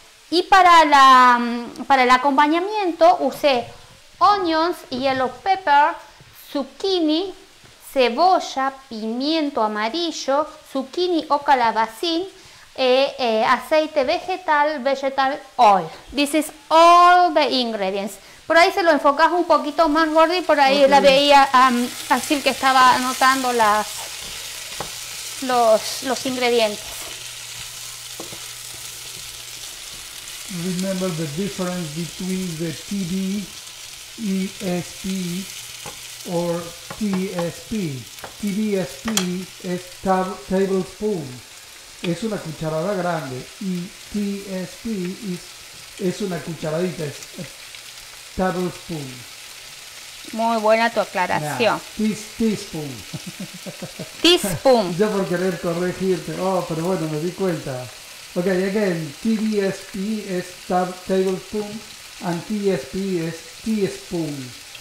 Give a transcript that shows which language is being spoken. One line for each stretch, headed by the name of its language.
Spanish: Y para el acompañamiento usé
English: onions, yellow pepper, zucchini,
Spanish: cebolla, pimiento amarillo, zucchini o calabacín, aceite vegetal,
English: vegetal oil. This is all the ingredients.
Spanish: Por ahí se lo enfocas un poquito más, Gordy, por ahí okay. La veía así que estaba anotando los ingredientes.
English: Remember the difference between the TD, ESP, or TSP.
Spanish: TDSP es tablespoon, es una cucharada grande, y TSP es una cucharadita, es tablespoon. Muy buena tu aclaración.
English: Now, teaspoon. Teaspoon.
Spanish: Yo por querer corregirte, pero bueno, me di cuenta.
English: Okay, again, TDSP is tablespoon, and TSP is teaspoon.